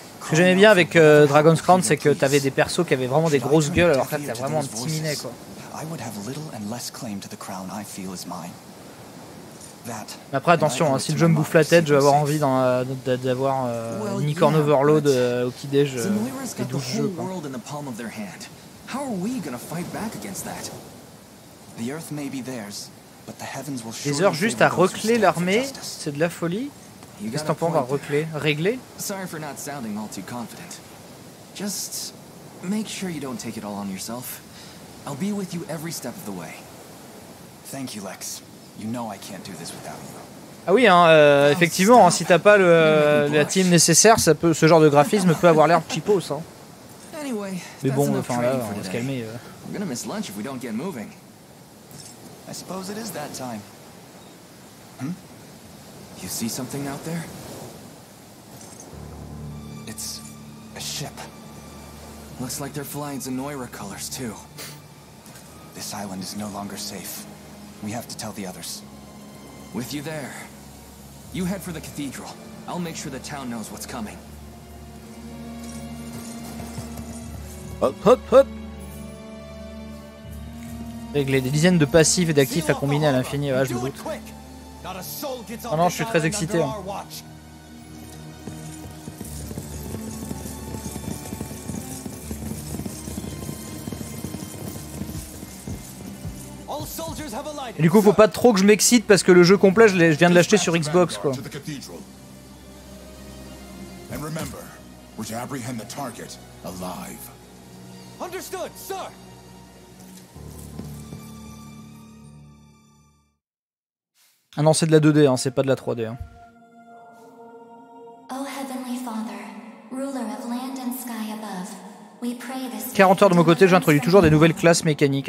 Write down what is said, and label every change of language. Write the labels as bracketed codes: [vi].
[fr] Ce que j'aimais bien avec Dragon's Crown, c'est que t'avais des persos qui avaient vraiment des grosses gueules, alors que là, t'as vraiment un petit minet, quoi. [en] I would have little and less claim to the crown I feel is mine. [fr] Mais après attention, hein, si le jeu me bouffe la tête, je vais avoir envie d'avoir Unicorn Overload au petit déj des 12 jeux. [en] World in the palm of their hand. How are we gonna fight back against that? The earth may be theirs, but the heavens will surely. [fr] Les heures juste à recler l'armée, c'est de la folie. Qu'est-ce que t'en penses à recler, régler? [en] Sorry for not sounding all too confident. Just make sure you don't take it all on yourself. I'll be with you every step of the way. Thank you, Lex. You know I can't do this without you. [fr] Ah oui, hein, effectivement, hein, si t'as pas la team nécessaire, ça peut, ce genre de graphisme peut avoir l'air cheapos, hein. [en] Anyway, [fr] mais bon, enfin là, on va se calmer. [en] We're gonna miss lunch if we don't get moving. I suppose it is that time. Hmm? You see something out there? It's a ship. Looks like they're flying Zenoira colors too. This island is no longer safe. We have to tell the others. With you there. You head for the cathedral. I'll make sure the town knows what's coming. [fr] Hop, hop, hop. Régler des dizaines de passifs et d'actifs à combiner à l'infini. Ah, je me doute. Oh non, je suis très excité. Hein. [en] All [fr] Et du coup, faut pas trop que je m'excite parce que le jeu complet, je viens de l'acheter sur Xbox, quoi. [en] And remember, we're to apprehend the target alive. Understood, sir. [fr] Ah non, c'est de la 2D, hein, c'est pas de la 3D. Hein. [en] Oh Heavenly Father, ruler of land and sky above, we pray this. [fr] 40 heures de mon côté, j'introduis toujours des nouvelles classes mécaniques.